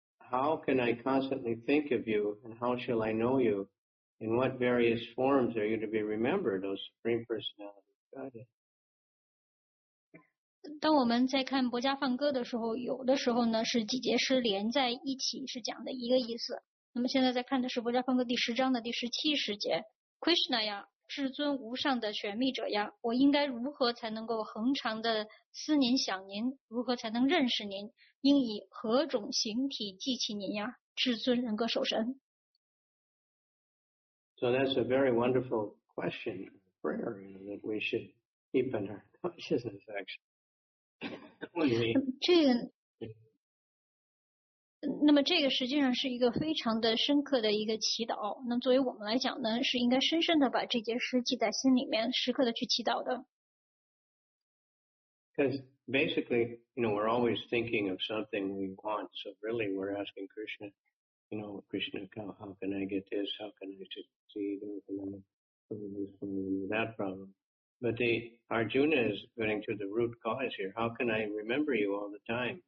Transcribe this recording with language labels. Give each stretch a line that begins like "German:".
English: How can I constantly think of you and how shall I know you? In what various forms are you to be remembered, O Supreme Personality of Godhead?
Chinese: 当我们在看薄伽梵歌的时候有的时候呢是几节诗连在一起是讲的一个意思。那么现在在看的是薄伽梵歌第十章的第十七十节 Krishna 呀至尊无上的玄秘者呀，我应该如何才能够恒常的思您想您？如何才能认识您？应以何种形体记起您呀，至尊人格守神
English: ？So that's a very wonderful question, prayer, you know, that we should keep in our consciousness actually.
Chinese: 那么这个实际上是一个非常的深刻的一个祈祷那作为我们来讲呢是应该深深的把这节诗记在心里面时刻的去祈祷的
English: Because basically, you know, we're always thinking of something we want so really we're asking Krishna you know, Krishna, how can I get this? How can I succeed? How can I remove that problem? But Arjuna is going to the root cause here How can I remember you all the time?